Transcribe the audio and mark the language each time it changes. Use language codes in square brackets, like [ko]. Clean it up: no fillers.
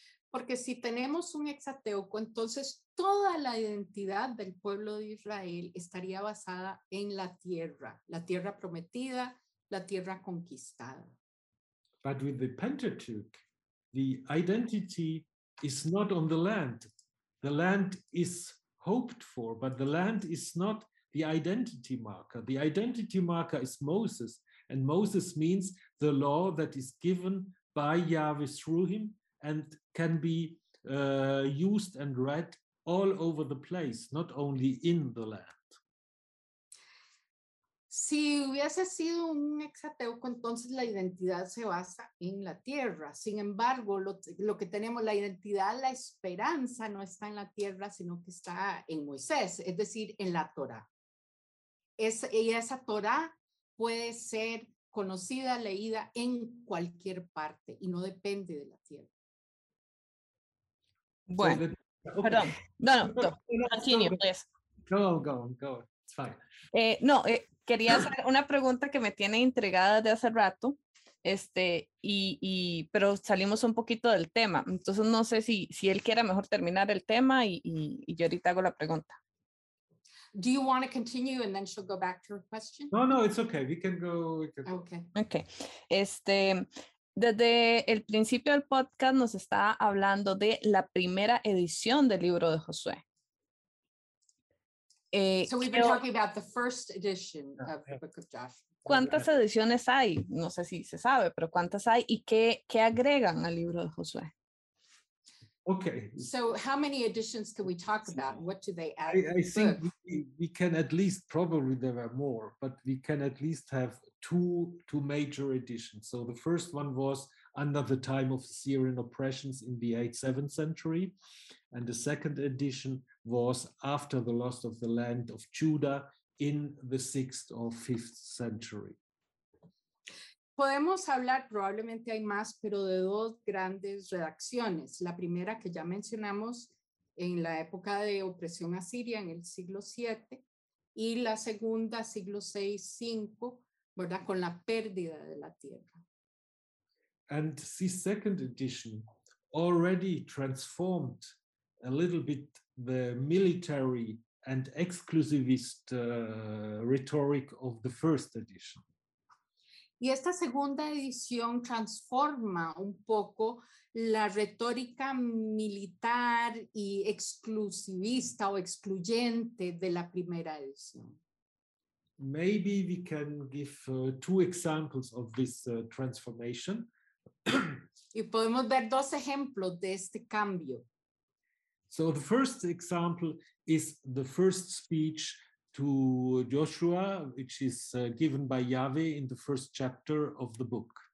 [es] Porque si tenemos un Hexateuco, entonces toda la identidad del pueblo de Israel estaría basada en la tierra prometida, la tierra conquistada. [en] But with the Pentateuch, the identity is not on the land. The land is hoped for, but the land is not the identity marker. The identity marker is Moses, and Moses means the law that is given by Yahweh through him and can be used and read all over the place, not only in the land. [es] Si hubiese sido un Hexateuco, entonces la identidad se basa en la tierra. Sin embargo, lo que tenemos, la identidad, la esperanza, no está en la tierra, sino que está en Moisés, es decir, en la Torah. Y esa Torah puede ser conocida, leída en cualquier parte y no depende de la tierra. Bueno, quería hacer una pregunta que me tiene intrigada de hace rato, pero salimos un poquito del tema. Entonces no sé si él quiera mejor terminar el tema y yo ahorita hago la pregunta. [en] Do you want to continue and then she'll go back to her question? No, it's okay. Okay. [es] Desde el principio del podcast nos está hablando de la primera edición del libro de Josué. [en] So we've been talking about the first edition of the Book of Joshua. [es] ¿Cuántas ediciones hay? No sé si se sabe, pero ¿cuántas hay? ¿Y qué agregan al libro de Josué? [en] Okay. So how many editions can we talk about? What do they add? I think we can at least, probably there are more, but we can at least have two major editions. So the first one was under the time of Syrian oppressions in the 7th century. And the second edition was after the loss of the land of Judah in the 6th or 5th century. [es] Podemos hablar, probablemente hay más, pero de dos grandes redacciones. La primera que ya mencionamos en la época de opresión asiria en el siglo 7 y la segunda siglo 6-5, ¿verdad? Con la pérdida de la tierra. [en] And the second edition already transformed a little bit the military and exclusivist rhetoric of the first edition. [es] Y esta segunda edición transforma un poco la retórica militar y exclusivista o excluyente de la primera edición. [en] Maybe we can give two examples of this transformation. [es] Y podemos ver dos ejemplos de este cambio. [en] So the first example is the first speech to Joshua, which is given by Yahweh in the first chapter of the book.